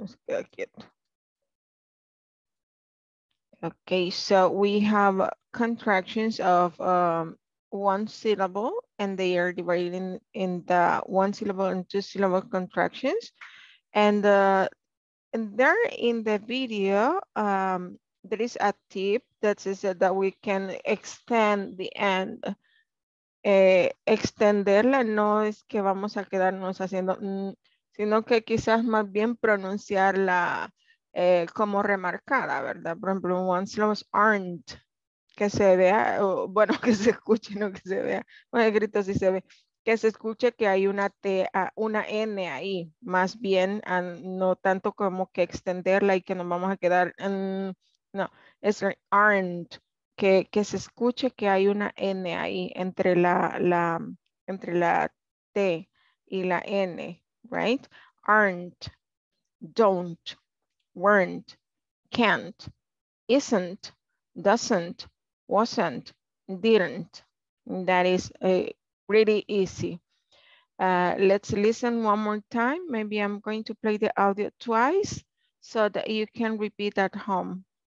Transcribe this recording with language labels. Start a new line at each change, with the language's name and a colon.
English: Okay, so we have contractions of one syllable, and they are divided in the one syllable and two syllable contractions. And there in the video, there is a tip that says that we can extend the end.
Spanish: Extenderla no es que vamos a quedarnos haciendo, sino que quizás más bien pronunciarla como remarcada, ¿verdad? Por ejemplo,
English: one syllable aren't.
Spanish: Que se vea, bueno, que se escuche, no que se vea, bueno, el grito sí se ve, que se escuche que hay una T, una N ahí, más bien, no tanto como que extenderla y que nos vamos a quedar, no, es aren't, que se escuche que hay una N ahí entre la T y la N, right?
English: Aren't, don't, weren't, can't, isn't, doesn't, wasn't, didn't. That is pretty easy. Let's listen one more time. Maybe I'm going to play the audio twice so that you can repeat at home.